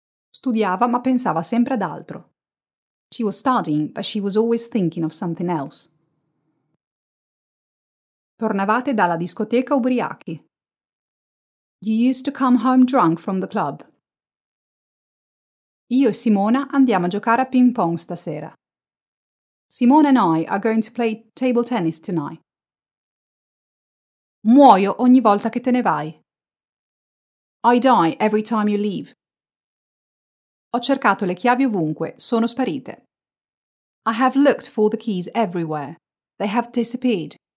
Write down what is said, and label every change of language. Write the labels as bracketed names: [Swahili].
[Italian] Studiava ma pensava sempre ad altro. [English] She was studying, but she was always thinking of something else. [Italian] Tornavate dalla discoteca ubriachi. [English] You used to come home drunk from the club. [Italian] Io e Simona andiamo a giocare a ping pong stasera. [English] Simona and I are going to play table tennis tonight. [Italian] Muoio ogni volta che te ne vai. [English] I die every time you leave. [Italian] Ho cercato le chiavi ovunque, sono sparite. [English] I have looked for the keys everywhere. They have disappeared.